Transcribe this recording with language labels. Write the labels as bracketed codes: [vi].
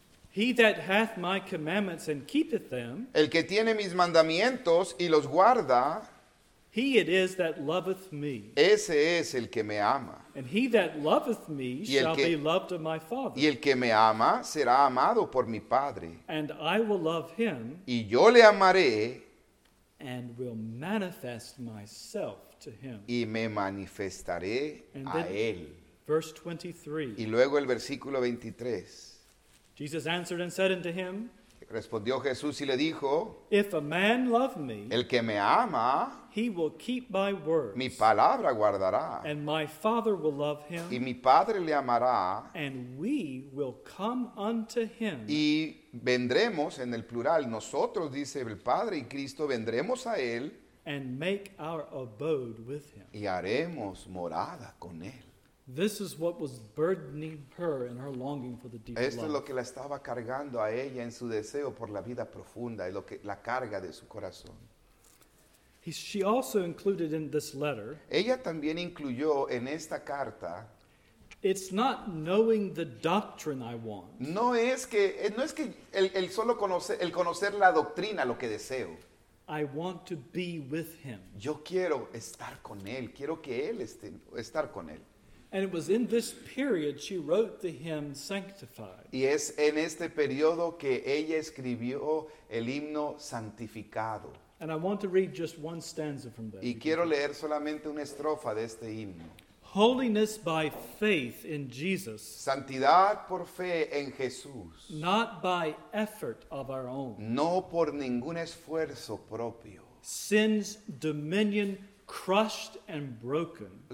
[en] He that hath my commandments and keepeth them, [es] el que tiene mis mandamientos y los guarda, [en] he it is that loveth me. [es] Ese es el que me ama. [en] And he that loveth me shall be loved of my Father. [es] Y el que me ama será amado por mi Padre. [en] And I will love him. [es] Y yo le amaré. [en] And will manifest myself to him. [es] Y me manifestaré a él. [en] Verse 23. [es] Y luego el versículo 23. [en] Jesus answered and said unto him. [es] Respondió Jesús y le dijo. [en] If a man love me. [es] El que me ama. [en] He will keep my words. [es] Mi palabra guardará. [en] And my Father will love him. [es] Y mi Padre le amará. [en] And we will come unto him. [es] Y vendremos, en el plural, nosotros, dice el Padre y Cristo, vendremos a él. [en] And make our abode with him. [es] Y haremos morada con él. [en] This is what was burdening her in her longing for the deep love. [es] Esto es lo que la estaba cargando a ella en su deseo por la vida profunda, la carga de su corazón. [en] She also included in this letter. [es] Ella también incluyó en esta carta. [en] It's not knowing the doctrine I want. [es] No es que el conocer la doctrina lo que deseo. [en] I want to be with him. [es] Yo quiero estar con él. Quiero que él esté estar con él. [en] And it was in this period she wrote the hymn Sanctified. [es] Y es en este periodo que ella escribió el himno Santificado. [en] And I want to read just one stanza from that. [es] Y quiero leer solamente una estrofa de este himno. [en] Holiness by faith in Jesus. [es] Santidad por fe en Jesús. [en] Not by effort of our own. [es] No por ningún esfuerzo propio. [en] Sin's dominion crushed and broken.